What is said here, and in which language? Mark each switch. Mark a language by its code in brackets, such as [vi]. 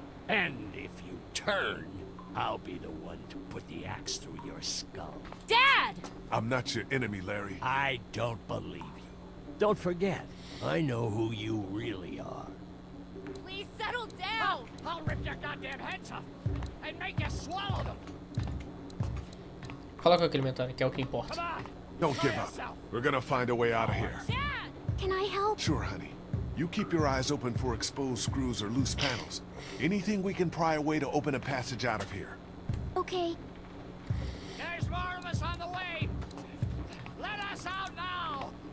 [en] And if you turn, I'll be the one to put the axe through your skull. Dad! I'm not your enemy, Larry. I don't believe you. Don't forget, I know who you really are. Please settle down! I'll rip your goddamn heads off and make you swallow them! [pt] Fala com aquele mentor, que é o que importa. [en] Don't give up. We're gonna find a way out of here. Can I help? Sure, honey. You keep your eyes open for exposed screws or loose panels. Anything we can pry away to open a passage out of here. Okay. There's more of us on the way. Let us out now.